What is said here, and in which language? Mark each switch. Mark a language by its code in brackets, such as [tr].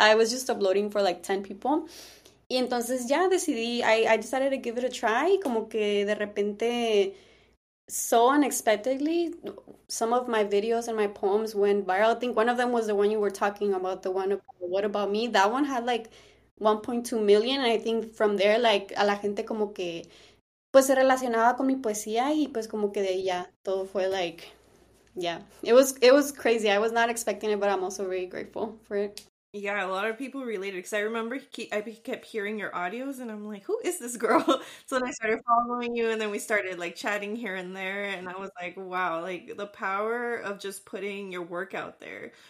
[en] I was just uploading for like 10 people. [es] Y entonces ya decidí, [en] I decided to give it a try, [es] como que de repente, [en] so unexpectedly, some of my videos and my poems went viral. I think one of them was the one you were talking about, the one about What About Me. That one had like 1.2 million, and I think from there, like, [es] a la gente como que, pues se relacionaba con mi poesía, y pues como que de ahí ya, todo fue [en] like, yeah. It was crazy. I was not expecting it, but I'm also very grateful for it. Yeah, a lot of people related because I remember I kept hearing your audios and I'm like, who is this girl? So then I started following you and then we started like chatting here and there and I was like, wow, like the power of just putting your work out there.